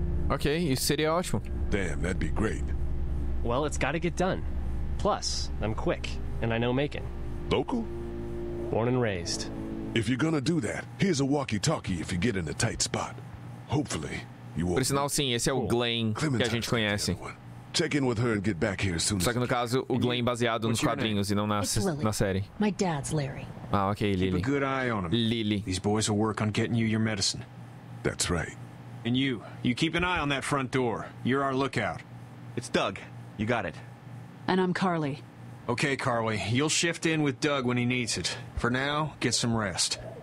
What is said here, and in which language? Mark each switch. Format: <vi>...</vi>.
<en>Okay, you</en> <pt>seria ótimo.</pt> <en>Damn, that'd be great. Well, it's gotta get done. Plus, I'm quick, and I know Macon. Local? Born and raised. If you're gonna do that, here's a walkie-talkie if you get in a tight spot. Hopefully,</en> <pt>Por sinal, sim, esse é o Glenn que a gente conhece.</pt> <en>Check in with her and get back here soon.</en> <pt>Só que no caso, o Glenn baseado nos quadrinhos e não na série.</pt> <en>My dad's Larry. Ah, ok, Lily. Keep a good eye on him. Lily. These boys will work on getting you your medicine. That's right. And you keep an eye on that front door. You're our lookout. It's Doug. You got it. And I'm Carly. Okay, Carly. You'll shift in with Doug when he needs it. For now, get some rest.</en>